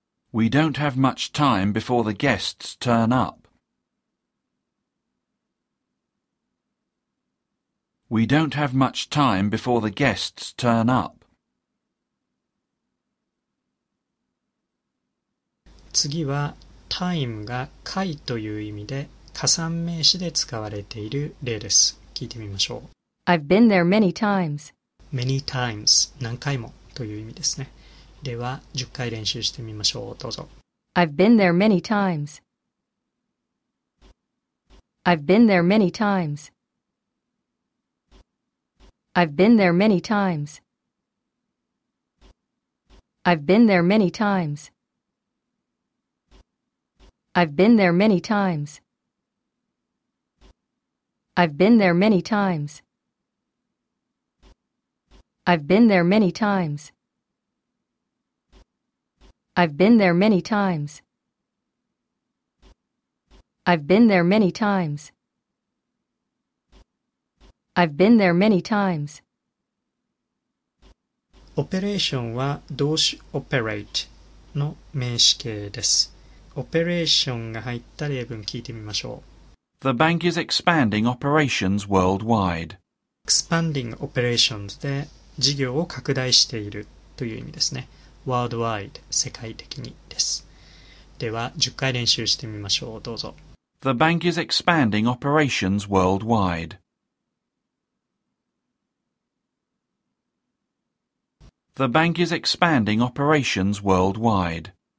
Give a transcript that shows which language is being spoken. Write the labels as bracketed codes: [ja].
[en] We don't have much time before the guests turn up. We don't have much time before the guests turn up. [ja] 次は time が回という意味で加算名詞で使われている例です。聞いてみましょう。 [en] I've been there many times. Many times. [ja] 何回もという意味ですね。では、10回練習してみましょう。どうぞ。 [en] I've been there many times. I've been there many times. I've been there many times. I've been there many times. I've been there many times. I've been there many times. I've been there many times. I've been there many times. I've been there many times. I've been there many times. [ja] オペレーションは動詞 operate の名詞形です。オペレーションが入った例文聞いてみましょう。 [en] The bank is expanding operations worldwide. Expanding operations [ja] で事業を拡大しているという意味ですね。 Worldwide 世界的にです。では10回練習してみましょう。どうぞ。 [en] The bank is expanding operations worldwide. The bank is expanding operations worldwide.